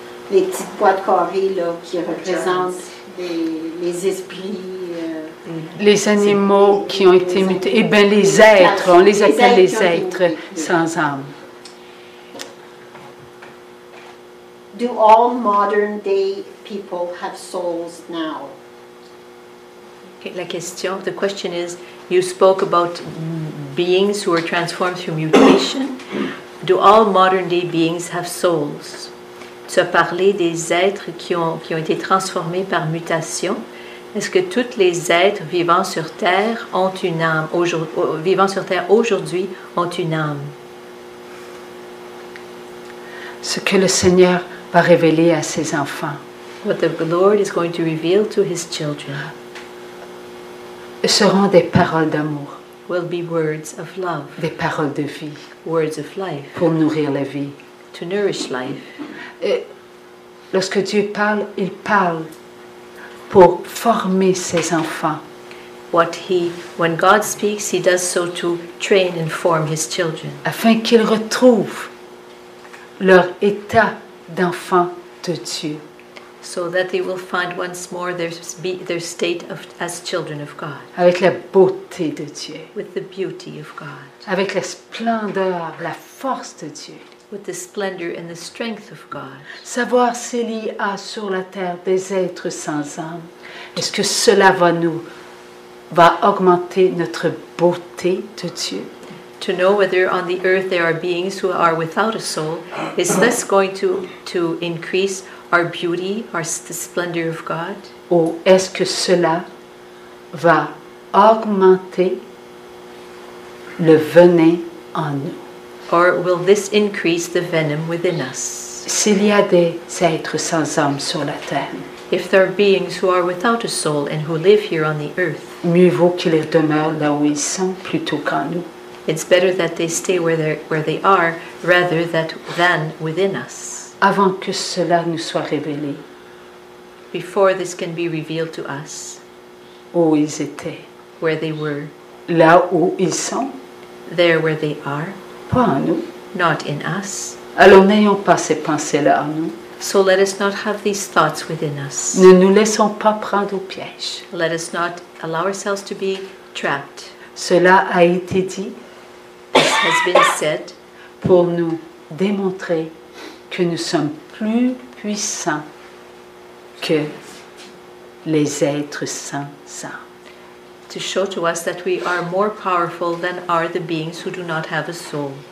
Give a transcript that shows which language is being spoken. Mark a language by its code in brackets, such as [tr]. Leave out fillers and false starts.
[fr] Les petites pois de carré, là, qui représentent les esprits. Les animaux qui ont été mutés, eh bien les êtres, on les appelle les êtres sans âme. [en] Do all modern day people have souls now? Okay, [fr] la question, [en] the question is, you spoke about beings who are transformed through mutation. Do all modern day beings have souls? [fr] Tu as parlé des êtres qui ont été transformés par mutation. Est-ce que tous les êtres vivant sur Terre ont une âme aujourd'hui ont une âme? Ce que le Seigneur va révéler à ses enfants. [en] What the Lord is going to reveal to his children. [fr] Seront des paroles d'amour. [en] Will be words of love. [fr] Des paroles de vie. [en] Words of life. [fr] Pour nourrir la vie. [en] To nourish life. [fr] Et lorsque Dieu parle, il parle pour former ses enfants. [en] what he, when God speaks, he does so to train and form his children. [fr] Afin qu'ils retrouvent leur état d'enfant de Dieu. [en] So that they will find once more their state of as children of God. [fr] Avec la beauté de Dieu. [en] With the beauty of God. [fr] Avec la splendeur, la force de Dieu. [en] With the splendor and the strength of God. [fr] Savoir s'il y a sur la terre des êtres sans âme. Est-ce que cela va augmenter notre beauté de Dieu? [en] To know whether on the earth there are beings who are without a soul, is this going to increase our beauty, the splendor of God? [fr] Ou est-ce que cela va augmenter le venin en nous? [en] Or will this increase the venom within us? [fr] S'il y a des êtres sans âme sur la terre, [en] if there are beings who are without a soul and who live here on the earth, [fr] mieux vaut qu'ils demeurent là où ils sont plutôt qu'en nous. [en] It's better that they stay where they are rather than within us. [fr] Avant que cela nous soit révélé. [en] Before this can be revealed to us. [fr] Où ils étaient. [en] Where they were. [fr] Là où ils sont. [en] There where they are. [fr] Pas en nous. [en] Not in us. [fr] Alors n'ayons pas ces pensées-là en nous. [en] So let us not have these thoughts within us. [fr] Ne nous laissons pas prendre au piège. [en] Let us not allow ourselves to be trapped. [fr] Cela a été dit. [en] This has been said. [fr] Pour nous démontrer que nous sommes plus puissants que les êtres sans âme. [en] To show to us that we are more powerful than are the beings who do not have a soul.